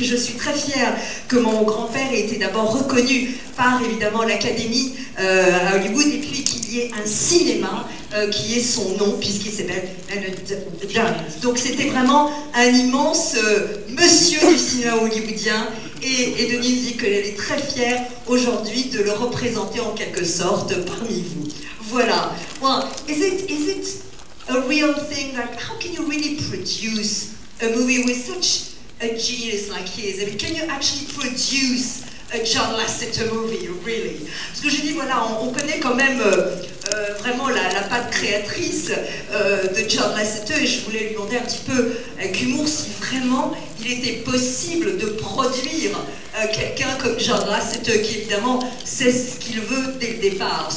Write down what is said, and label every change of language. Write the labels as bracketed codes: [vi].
[fr] Je suis très fière que mon grand-père ait été d'abord reconnu par évidemment l'Académie à Hollywood et puis qu'il y ait un cinéma qui ait son nom puisqu'il s'appelle Leonard Dunn. Donc c'était vraiment un immense monsieur du cinéma hollywoodien et Denise dit qu'elle est très fière aujourd'hui de le représenter en quelque sorte parmi vous. Voilà. [en] A real thing, like how can you really produce a movie with such a genius like his? I mean, can you actually produce a John Lasseter movie, really? [fr] Parce que je dis, voilà, on connaît quand même vraiment la patte créatrice de John Lasseter, et je voulais lui demander un petit peu avec humour si vraiment il était possible de produire quelqu'un comme John Lasseter, qui évidemment sait ce qu'il veut dès le départ.